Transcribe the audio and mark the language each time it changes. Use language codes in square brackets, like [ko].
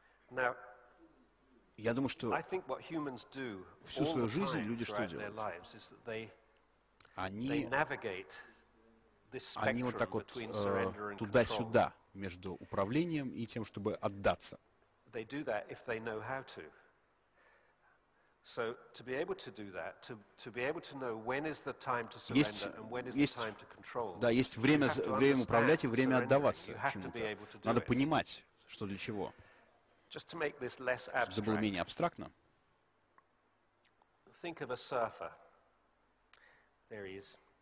[en] Now, [ru] я думаю, что [en] I think what humans do [ru] всю свою жизнь люди что делают? [en] Lives, [ru] они вот так вот туда-сюда между управлением и тем, чтобы отдаться. [en] They do that if they know how to. So to be able to do that, to be able to know when is the time to surrender and when is the time to control. [ru] Да, есть время, время управлять и время отдаваться чему-то. Надо понимать, что для чего. [en] Just to make this less abstract. [ru] Чтобы было менее абстрактно. [en] Think of a surfer. There he is.